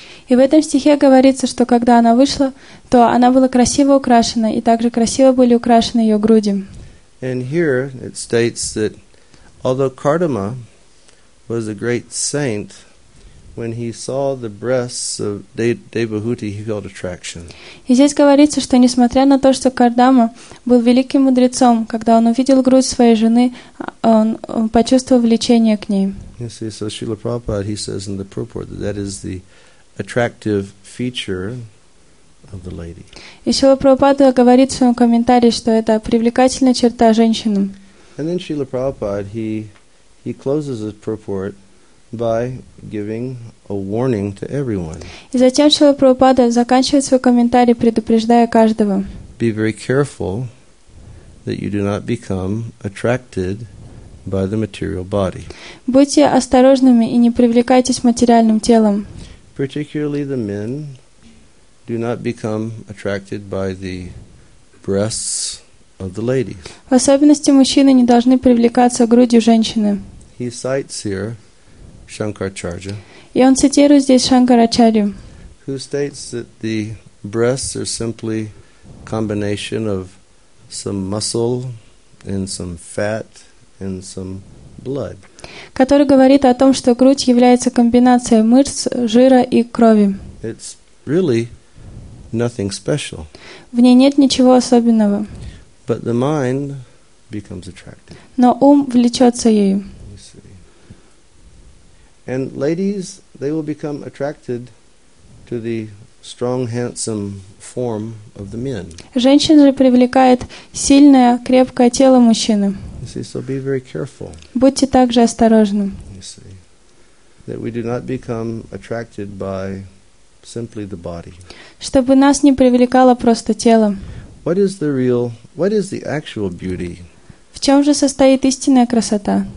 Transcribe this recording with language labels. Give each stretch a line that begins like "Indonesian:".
Russian: И в этом стихе говорится, что когда она вышла, то она была красиво украшена, и также красиво были украшены ее груди.
English: And here it states that although Kardama was a great saint, when he saw the breasts of Devahuti, he felt attraction.
Russian: И здесь говорится, что несмотря на то, что Кардама был великим мудрецом, когда он увидел грудь своей жены, он почувствовал влечение к ней.
English: You see, so Srila Prabhupada, he says in the purport that that is the attractive feature of the lady.
Russian: И Шрила Прабхупада говорит в своем комментарии, что это привлекательная черта женщины.
English: And then Srila Prabhupada, he closes his purport by giving a warning to everyone.
Russian: И затем Шрила Прабхупада заканчивает свой комментарий, предупреждая каждого.
English: Be very careful that you do not become attracted by the material body.
Russian: Будьте осторожными и не привлекайтесь материальным телом.
English: Particularly the men do not become attracted by the breasts of the ladies.
Russian: В особенности мужчины не должны привлекаться грудью женщины.
English: He cites here Shankaracharya.
Russian: И он цитирует здесь Шанкарачарью.
English: Who states that the breasts are simply combination of some muscle and some fat and some blood.
Russian: Который говорит о том, что грудь является комбинацией мышц, жира и крови.
English: It's really nothing special.
Russian: В ней нет ничего особенного.
English: But the mind becomes attractive.
Russian: Но ум влечется ею.
English: And ladies, they will become attracted to the strong, handsome form of the men.
Russian: Женщин же привлекает сильное, крепкое тело мужчины.
English: You see, so be very careful.
Russian: Будьте также осторожны.
English: You see, that we do not become attracted by simply the body.
Russian: Чтобы нас не привлекало просто тело.
English: What is the real? What is the actual beauty?
Russian: В чем же состоит истинная красота?